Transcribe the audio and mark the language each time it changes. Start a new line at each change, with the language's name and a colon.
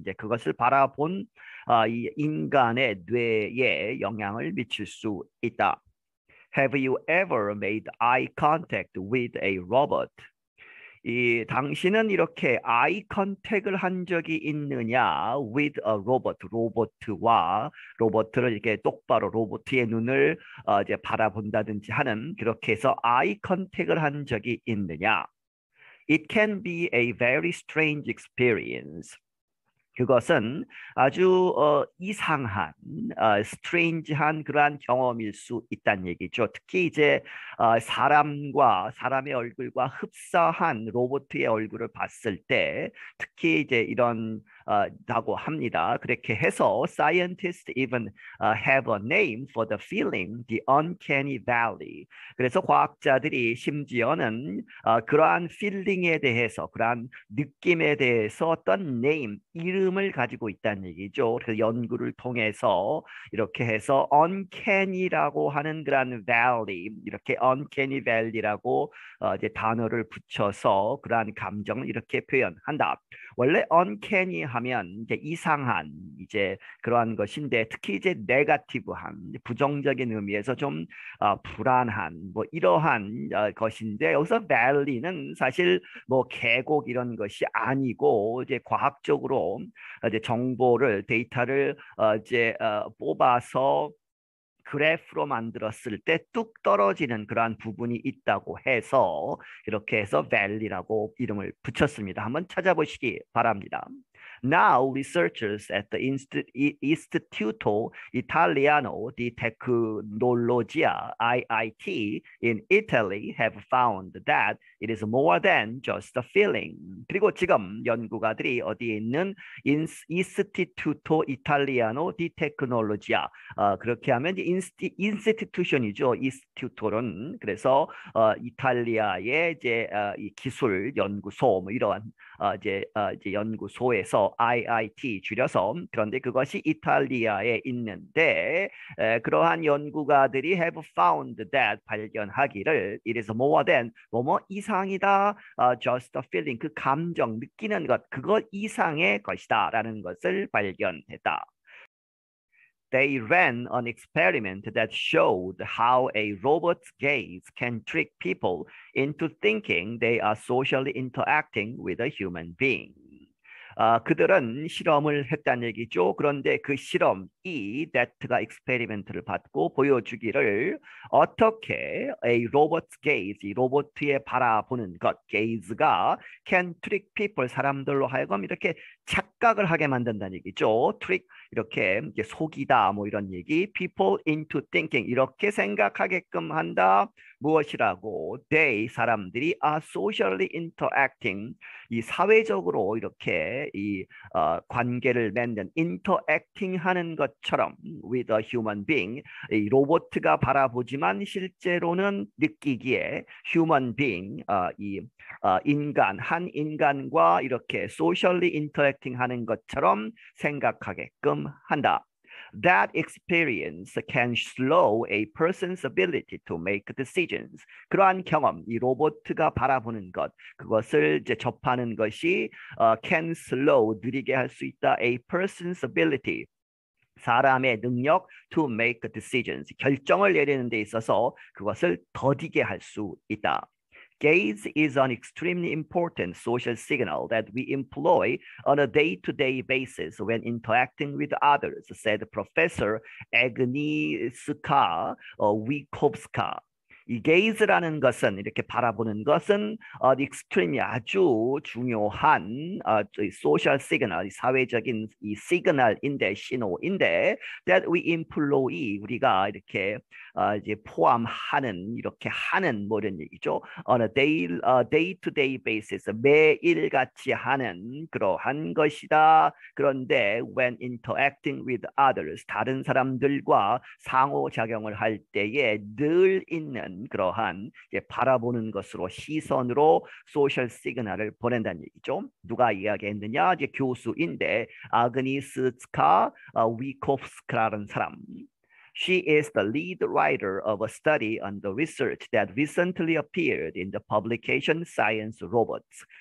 Korean: 이제 그것을 바라본 이 인간의 뇌에 영향을 미칠 수 있다.
English: Have you ever made eye contact with a robot?
Korean: 이 당신은 이렇게 아이 컨택을 한 적이 있느냐?
English: With a robot,
Korean: 로봇과 로봇을 이렇게 똑바로 로봇의 눈을 이제 바라본다든지 하는 그렇게 해서 아이 컨택을 한 적이 있느냐?
English: It can be a very strange experience.
Korean: 그것은 아주 이상한, strange한 그러한 경험일 수 있다는 얘기죠. 특히 이제 사람과 사람의 얼굴과 흡사한 로봇의 얼굴을 봤을 때, 특히 이제 이런 다고 합니다. 그렇게 해서
English: scientists even have a name for the feeling, the uncanny valley.
Korean: 그래서 과학자들이 심지어는 그러한 feeling에 대해서, 그러한 느낌에 대해서 어떤 name, 이름을 가지고 있다는 얘기죠. 그래서 연구를 통해서 이렇게 해서 uncanny라고 하는 그러한 valley, 이렇게 uncanny valley라고 이제 단어를 붙여서 그러한 감정을 이렇게 표현한다. 원래 uncanny 하면 이제 이상한 이제 그러한 것인데 특히 이제 네가티브한 부정적인 의미에서 좀 불안한 뭐 이러한 것인데 여기서 밸리는 사실 뭐 계곡 이런 것이 아니고 이제 과학적으로 이제 정보를 데이터를 이제 뽑아서 그래프로 만들었을 때뚝 떨어지는 그러한 부분이 있다고 해서 이렇게 해서 밸리라고 이름을 붙였습니다. 한번 찾아보시기 바랍니다.
English: Now, researchers at the Istituto Italiano di Tecnologia, IIT, in Italy have found that it is more than just a feeling.
Korean: 그리고 지금 연구가들이 어디에 있는 Istituto Italiano di Tecnologia, 그렇게 하면 institution이죠. Istituto는. 그래서 이탈리아의 이제 이 기술 연구소, 뭐 이러한 이제 연구소에서 IIT 줄여서 그런데 그것이 이탈리아에 있는데 그러한 연구가들이
English: have found that
Korean: 발견하기를
English: it is more than
Korean: 뭐뭐 이상이다
English: just a feeling
Korean: 그 감정 느끼는 것 그것 이상의 것이다라는 것을 발견했다.
English: They ran an experiment that showed how a robot's gaze can trick people into thinking they are socially interacting with a human being.
Korean: 그들은 실험을 했다는 얘기죠. 그런데 그 실험, 이 that가 experiment를 받고 보여주기를 어떻게
English: a robot's gaze,
Korean: 이 로봇의 바라보는 것, gaze가
English: can trick people,
Korean: 사람들로 하여금 이렇게 착각을 하게 만든다는 얘기죠. trick, 이렇게 속이다, 뭐 이런 얘기.
English: people into thinking,
Korean: 이렇게 생각하게끔 한다. 무엇이라고? they, 사람들이
English: are socially interacting,
Korean: 이 사회적으로 이렇게 이 관계를 맺는, interacting 하는 것 처럼
English: with a human being
Korean: 이 로봇가 바라보지만 실제로는 느끼기에 human being 이 인간 한 인간과 이렇게 socially interacting 하는 것처럼 생각하게끔 한다.
English: That experience can slow a person's ability to make decisions.
Korean: 그러한 경험, 이 로봇가 바라보는 것, 그것을 이제 접하는 것이
English: can slow
Korean: 느리게 할수 있다.
English: A person's ability.
Korean: 사람의 능력
English: to make decisions,
Korean: 결정을 내리는 데 있어서 그것을 더디게 할수 있다.
English: Gaze is an extremely important social signal that we employ on a day-to-day basis when interacting with others, said Professor Agnieszka Wieckowska.
Korean: 이 gaze라는 것은 이렇게 바라보는 것은 익스트림이 아주 중요한 소셜 시그널 사회적인 이 시그널인데 신호인데
English: that we employ
Korean: 우리가 이렇게 이제 포함하는 이렇게 하는 뭐 이런 얘기죠.
English: on a day day to day basis
Korean: 매일 같이 하는 그러한 것이다. 그런데
English: when interacting with others
Korean: 다른 사람들과 상호작용을 할 때에 늘 있는 보는 그러한 이제 바라보는 것으로 시선으로 소셜 시그널을 보낸다는 얘기죠. 누가 이야기했느냐? 이제 교수인데 아그니스카 위콥스카라는 사람.
English: She is the lead writer of a study on the research that recently appeared in the publication Science Robots.